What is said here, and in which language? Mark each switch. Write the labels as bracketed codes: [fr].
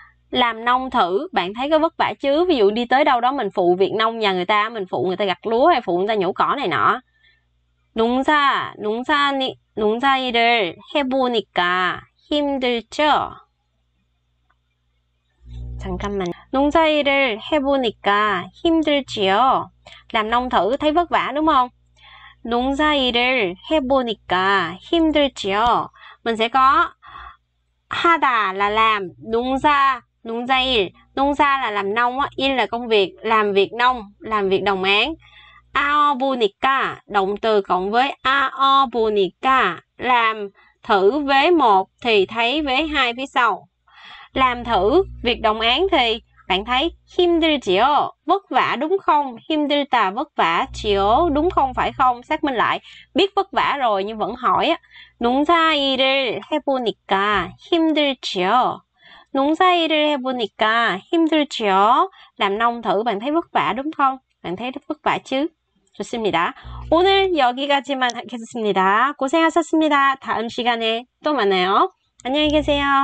[vi] Làm nông thử, bạn thấy có vất vả chứ? Ví dụ đi tới đâu đó mình phụ việc nông nhà người ta, mình phụ người ta gặt lúa hay phụ người ta nhổ cỏ này nọ. Nông xa đi đây, hebu nika, him chưa? Chẳng căm mình. [ko] 농사 일을 해보니까 힘들지요. [vi] Làm nông thử thấy vất vả đúng không? [ko] 농사 일을 해보니까 힘들지요. [vi] Mình sẽ có 하다 là làm, 농사, 농사 일. 농사 là làm nông, il là công việc, làm việc nông, làm việc đồng áng. 아오보니까, động từ cộng với 아오보니까, làm thử vế 1 thì thấy vế 2 phía sau. Làm thử việc đồng áng thì bạn thấy [ko] 힘들지요, [vi] vất vả đúng không? 힘들다, vất vả, 지요, đúng không, phải không? Xác minh lại, biết vất vả rồi nhưng vẫn hỏi á. [ko] 농사 일을 해보니까 힘들지요. 농사 일을 해보니까 힘들지요. [vi] Làm nông thử bạn thấy vất vả đúng không? Bạn thấy rất vất vả chứ? 좋습니다. [ko] 오늘 여기까지만 하겠습니다. 고생하셨습니다. 다음 시간에 또 만나요. 안녕히 계세요.